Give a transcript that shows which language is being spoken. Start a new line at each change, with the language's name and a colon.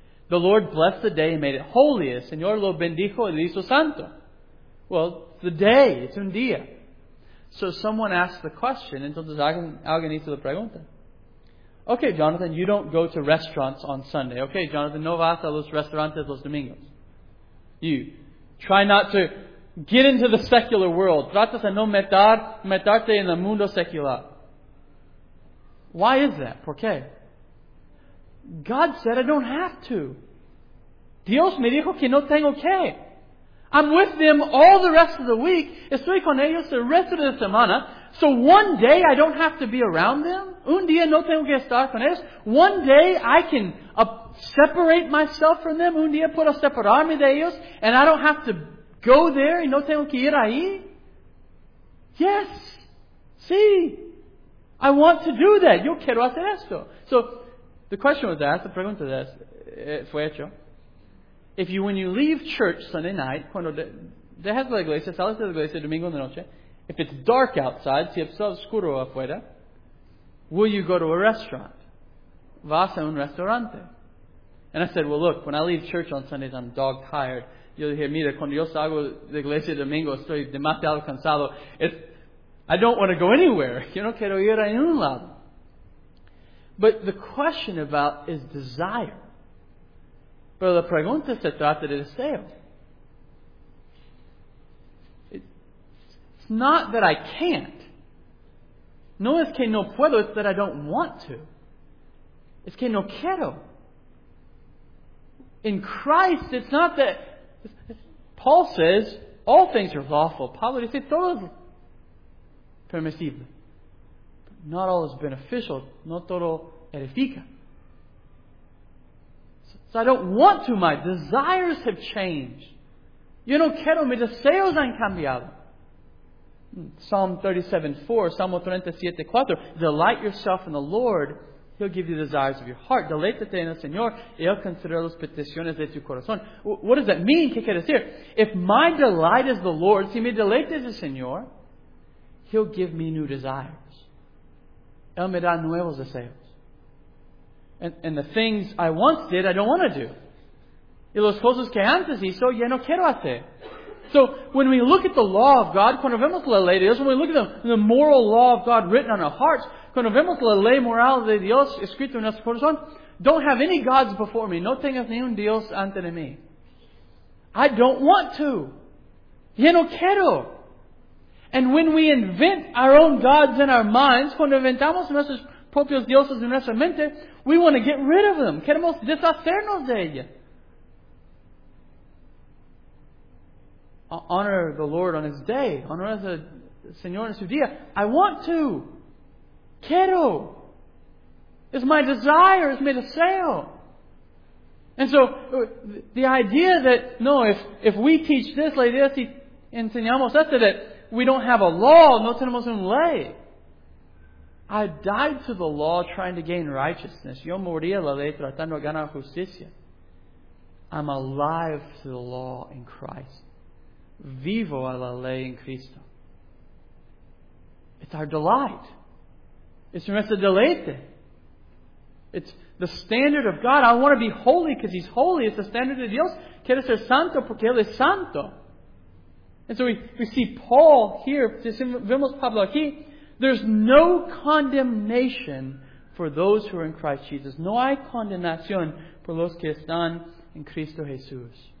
English: The Lord blessed the day and made it holy.
Spanish: El Señor lo bendijo y lo hizo santo.
English: Well, it's the day. It's un día. So someone asked the question.
Spanish: Entonces alguien hizo la pregunta.
English: Okay, Jonathan, you don't go to restaurants on Sunday. Okay, Jonathan,
Spanish: no vas a los restaurantes los domingos.
English: You try not to get into the secular world.
Spanish: Tratas de no meterte en el mundo secular.
English: Why is that?
Spanish: ¿Por qué?
English: God said I don't have to.
Spanish: Dios me dijo que no tengo que.
English: I'm with them all the rest of the week.
Spanish: Estoy con ellos el resto de la semana.
English: So one day I don't have to be around them.
Spanish: Un día no tengo que estar con ellos.
English: One day I can separate myself from them.
Spanish: Un día puedo separarme de ellos.
English: And I don't have to go there
Spanish: y no tengo que ir ahí.
English: Yes.
Spanish: Sí.
English: I want to do that.
Spanish: Yo quiero hacer esto.
English: So the question was asked, the pregunta was asked,
Spanish: fue hecho.
English: If you, when you leave church Sunday night,
Spanish: cuando dejas la iglesia, sales de la iglesia domingo en la noche,
English: if it's dark outside,
Spanish: si es oscuro afuera,
English: will you go to a restaurant?
Spanish: Vas a un restaurante.
English: And I said, well, look, when I leave church on Sundays, I'm dog tired.
Spanish: Yo dije, mira, cuando yo salgo de la iglesia domingo, estoy demasiado cansado.
English: I don't want to go anywhere.
Spanish: Yo no quiero ir a ningún lado.
English: But the question about is desire.
Spanish: Pero la pregunta se trata de deseo.
English: It's not that I can't.
Spanish: No es que no puedo,
English: it's that I don't want to.
Spanish: Es que no quiero.
English: In Christ, it's not that... Paul says, all things are lawful.
Spanish: Pablo dice, todo es permisible.
English: Not all is beneficial.
Spanish: No todo edifica.
English: So I don't want to. My desires have changed.
Spanish: Yo no quiero. Mis deseos han cambiado. Psalm 37:4.
English: Delight yourself in the Lord. He'll give you the desires of your heart.
Spanish: Deleítate en el Señor. Y Él considera las peticiones de tu corazón.
English: What does that mean?
Spanish: ¿Qué quiere decir?
English: If my delight is the Lord,
Spanish: si mi deleite es el Señor,
English: He'll give me new desires.
Spanish: Él me da nuevos deseos.
English: And the things I once did, I don't want to do.
Spanish: Y los cosas que antes hizo, ya no quiero hacer.
English: So when we look at the law of God,
Spanish: cuando vemos la ley de Dios,
English: when we look at the moral law of God written on our hearts,
Spanish: cuando vemos la ley moral de Dios escrito en nuestro corazón,
English: don't have any gods before me.
Spanish: No tengas ni un Dios ante de mí.
English: I don't want to.
Spanish: Ya no quiero.
English: And when we invent our own gods in our minds,
Spanish: cuando inventamos nuestros propios dioses en nuestra mente,
English: we want to get rid of them.
Spanish: Queremos deshacernos de ella.
English: Honor the Lord on His day.
Spanish: Honor al Señor en su día.
English: I want to.
Spanish: Quiero.
English: It's my desire. It's my deseo. And so, the idea that, no, if we teach this,
Spanish: la idea si enseñamos esto,
English: that we don't have a law,
Spanish: no tenemos un ley.
English: I died to the law trying to gain righteousness.
Spanish: Yo moría la ley tratando de ganar justicia.
English: I'm alive to the law in Christ.
Spanish: Vivo a la ley en Cristo.
English: It's our delight. It's
Spanish: nuestro deleite.
English: It's the standard of God. I want to be holy because He's holy. It's the standard of
Spanish: Dios. Quiero ser santo porque Él es santo.
English: And so we see Paul here.
Spanish: Vemos Pablo aquí.
English: There's no condemnation for those who are in Christ Jesus.
Spanish: No hay condenación por los que están en Cristo Jesús.